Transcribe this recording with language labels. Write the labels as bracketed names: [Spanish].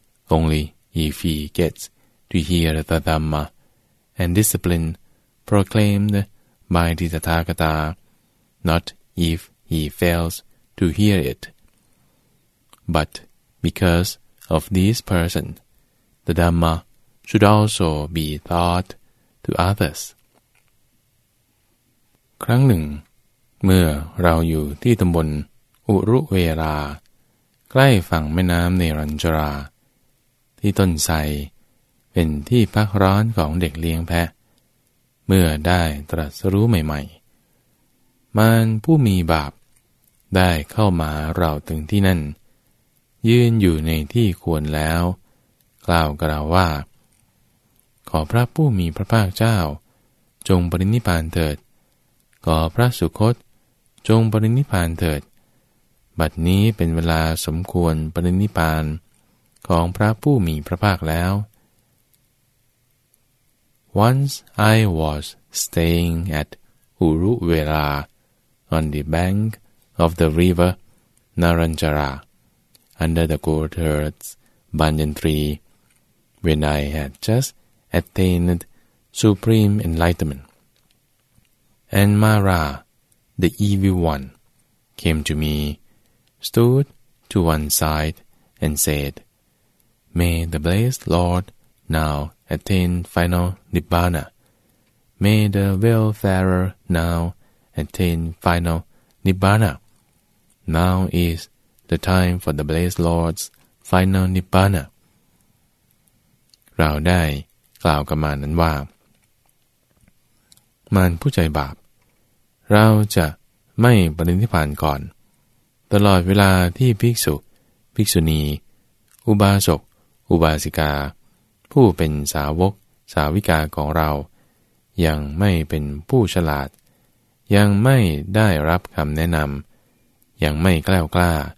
[English] only if he gets to hear the Dhamma and discipline proclaimed by the Tathagata, not if he fails to hear it. But because of this person, the Dhamma should also be taught to others. [Thai] ครั้งหนึ่งเมื่อเราอยู่ที่ตำบลอุรุเวราใกล้ฝั่งแม่น้ำเนรัญชราที่ต้นไทรเป็นที่พักร้อนของเด็กเลี้ยงแพะเมื่อได้ตรัสรู้ใหม่ๆมารผู้มีบาปได้เข้ามาเราถึงที่นั่นยืนอยู่ในที่ควรแล้วกล่าวกล่าวว่า ขอพระผู้มีพระภาคเจ้าจงปรินิพพานเถิดขอพระสุคตจงปรินิพพานเถิดบัดนี้เป็นเวลาสมควรปรินิพพานของพระผู้มีพระภาคแล้ว [English] Once I was staying at Uruvela on the bank of the river Naranjara, under the goatherd's banyan tree, when I had just attained supreme enlightenment. And Mara, the evil one, came to me, stood to one side, and said, May the blessed Lord now attain final Nibbana. May the welfarer now attain final Nibbana. Now is the time for the blessed Lord's final Nibbana. [Thai] เราได้กล่าวกับมารนั้นว่ามารผู้ใจบาปเราจะไม่ปรินิพพานก่อนตลอดเวลาที่ภิกษุภิกษุณีอุบาสกอุบาสิกาผู้เป็นสาวกสาวิกาของเรายังไม่เป็นผู้ฉลาดยังไม่ได้รับคำแนะนำยังไม่แกล้วกล้า